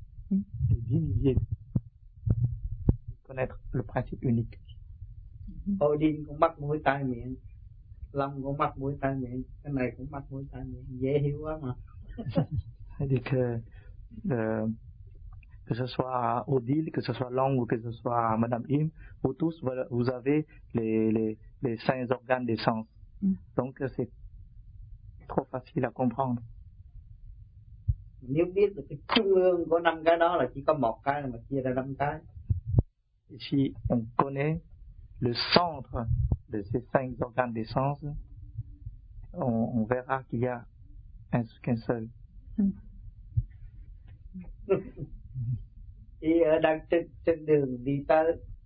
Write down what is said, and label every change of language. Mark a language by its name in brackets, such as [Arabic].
[French] Des dix milliers. Connaître le principe unique. [Vietnamese] Odin cũng mắc mũi tai miệng, lòng cũng mắc mũi tai miệng, cái này cũng mắc mũi tai miệng, dễ hiểu quá mà. [French] C'est-à-dire que ce soit Odile, que ce soit Long ou que ce soit Madame Im, vous tous, vous avez les cinq organes des sens. Donc c'est trop facile à comprendre. [Vietnamese] Nếu biết được cái trung ương của năm cái đó là chỉ có một cái mà chia ra năm cái. [French] Si on connaît le centre de ces cinq organes des sens, on verra qu'il y a qu'un seul. Et dans cette ligne vitale,